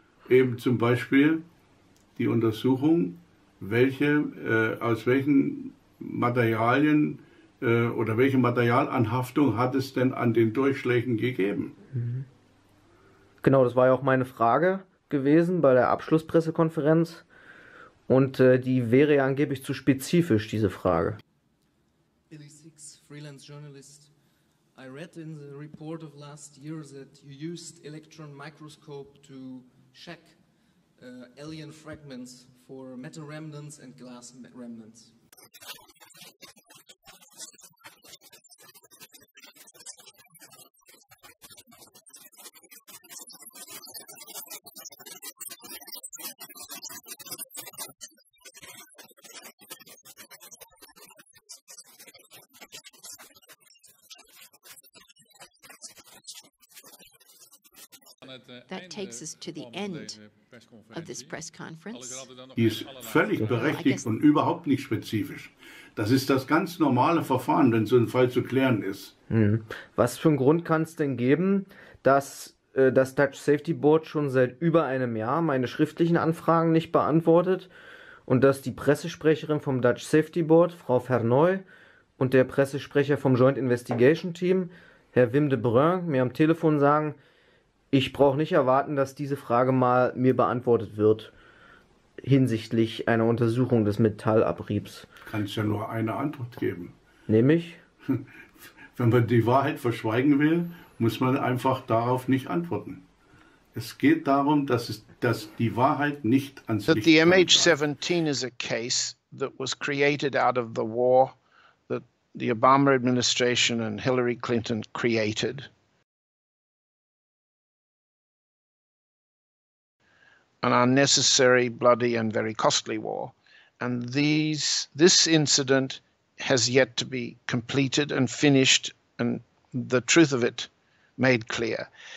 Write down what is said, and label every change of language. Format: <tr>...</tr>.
<de>Eben zum Beispiel die Untersuchung, aus welchen Materialien oder welche Materialanhaftung hat es denn an den Durchschlägen gegeben. Mhm. Genau, das war ja auch meine Frage gewesen bei der Abschlusspressekonferenz. Und die wäre ja angeblich zu spezifisch, diese Frage.</de> <en>Billy Six, freelance journalist. I read in the report of last year that you used electron microscope to check alien fragments for metal remnants and glass remnants. That takes us to the end of this press conference.</en> <de>Die ist völlig berechtigt und überhaupt nicht spezifisch. Das ist das ganz normale Verfahren, wenn so ein Fall zu klären ist. Was für einen Grund kann es denn geben, dass das Dutch Safety Board schon seit über einem Jahr meine schriftlichen Anfragen nicht beantwortet und dass die Pressesprecherin vom Dutch Safety Board, Frau Verneu, und der Pressesprecher vom Joint Investigation Team, Herr Wim de Breun, mir am Telefon sagen, ich brauche nicht erwarten, dass diese Frage mal mir beantwortet wird hinsichtlich einer Untersuchung des Metallabriebs. Kannst ja nur eine Antwort geben. Nämlich? Wenn man die Wahrheit verschweigen will, muss man einfach darauf nicht antworten. Es geht darum, dass die Wahrheit nicht ans Licht kommt.</de> <en>The MH17 is a case that was created out of the war that the Obama administration and Hillary Clinton created. An unnecessary, bloody, and very costly war. And this incident has yet to be completed and finished, and the truth of it made clear.</en>